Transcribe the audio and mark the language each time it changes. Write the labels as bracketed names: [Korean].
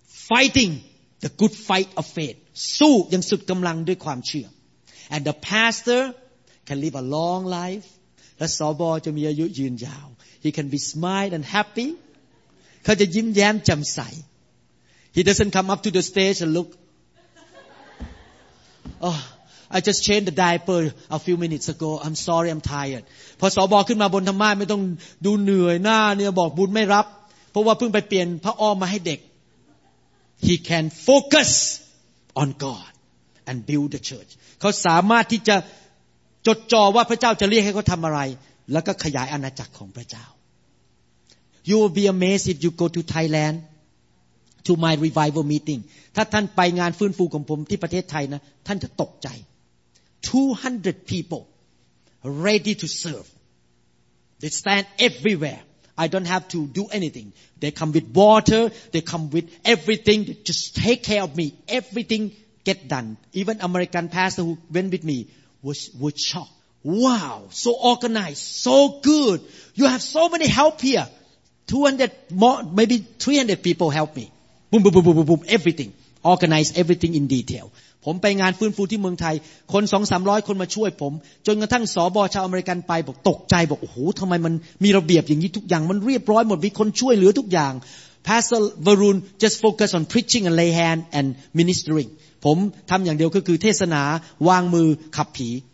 [English] Fighting the good fight of faith. [Thai] สู้อย่างสุดกำลังด้วยความเชื่อ [English] And the pastor can live a long life. [Thai] และสบจะมีอายุยืนยาว [English] He can be smiled and happy. [Thai] เขาจะยิ้มแย้มแจ่มใส [English] He doesn't come up to the stage and look. Oh. I just changed the diaper a few minutes ago. I'm sorry, I'm tired. [Thai] พอสบขึ้นมาบนธรรมะไม่ต้องดูเหนื่อยหน้าเนี่ยบอกบุญไม่รับเพราะว่าเพิ่งไปเปลี่ยนพระอ้อมมาให้เด็ก [English] He can focus on God and build the church. [Thai] เขาสามารถที่จะจดจ่อว่าพระเจ้าจะเรียกให้เขาทำอะไรแล้วก็ขยายอาณาจักรของพระเจ้า [English] You will be amazed if you go to Thailand to my revival meeting. [Thai] ถ้าท่านไปงานฟื้นฟูของผมที่ประเทศไทยนะท่านจะตกใจ [English] 200 people ready to serve. They stand everywhere. I don't have to do anything. They come with water. They come with everything. They just take care of me. Everything get done. Even American pastor who went with me was shocked. Wow, so organized, so good. You have so many help here. 200 more, maybe 300 people help me. Boom, boom, boom, boom, boom, boom. Everything. Organize everything in detail. [Thai] ผมไปงานฟื้นฟูที่เมืองไทยคน 2-300 คนมาช่วยผมจนกระทั่งสบชาวอเมริกันไปบอกตกใจบอกโอ้โหทำไมมันมีระเบียบอย่างนี้ทุกอย่างมันเรียบร้อยหมดมีคนช่วยเหลือทุกอย่าง [English] Pastor Varun just focus on preaching and lay hand and ministering [Thai] ผมทำอย่างเดียวก็คือเทศนาวางมือขับผี